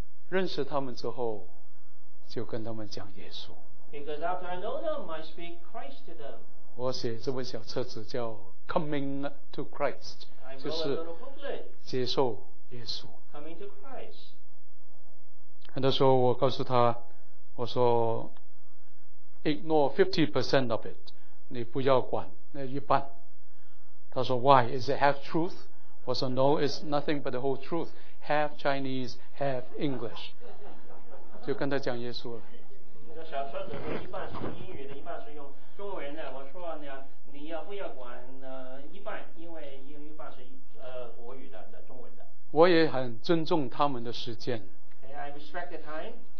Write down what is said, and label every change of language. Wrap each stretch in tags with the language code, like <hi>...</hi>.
<zh>认识他们之后，就跟他们讲耶稣。</zh> <en>Because after I know them, I speak Christ to them.</en> <zh>我写这本小册子叫 Coming to Christ, 就是接受耶稣。</zh> <en>Coming to Christ.</en> <zh>很多时候我告诉他，我说</zh> <en>ignore 50% of it,</en> <zh>你不要管那一半。他说</zh> <en>why? Is it half truth?</en> <zh>我说</zh> <en>no, it's nothing but the whole truth. Half Chinese, half English.</en> <zh>就跟他讲耶稣了。那个小册子说一半是用英语的，一半是用中文的。我说呢，你要不要管一半，因为英语一半是国语的，中文的。我也很尊重他们的时间。</zh> <en>Okay, I respect the time.</en>